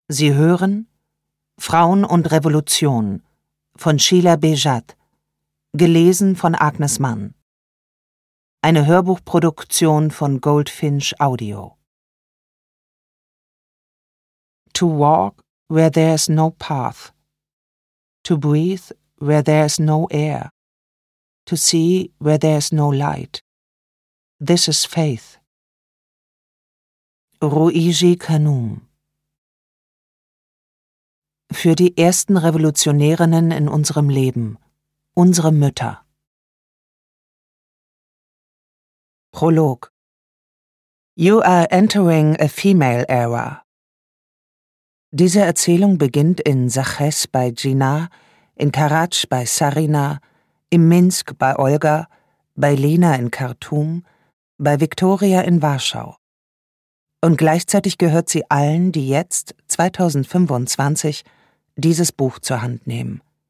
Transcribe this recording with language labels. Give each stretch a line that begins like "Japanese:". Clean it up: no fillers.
German: Sie hören Frauen und Revolution von Sheila Bejat, gelesen von Agnes Mann. Eine Hörbuchproduktion von Goldfinch Audio.
English: To walk where there is no path. To breathe where there is no air. To see where there is no light. This is faith. Ruiji Kanum.
German: Für die ersten Revolutionärinnen in unserem Leben, unsere Mütter. Prolog.
English: You are entering a female era.
German: Diese Erzählung beginnt in Saches bei Gina, in Karatsch bei Sarina, in Minsk bei Olga, bei Lena in Khartoum, bei Viktoria in Warschau. Und gleichzeitig gehört sie allen, die jetzt, 2025, dieses Buch zur Hand nehmen.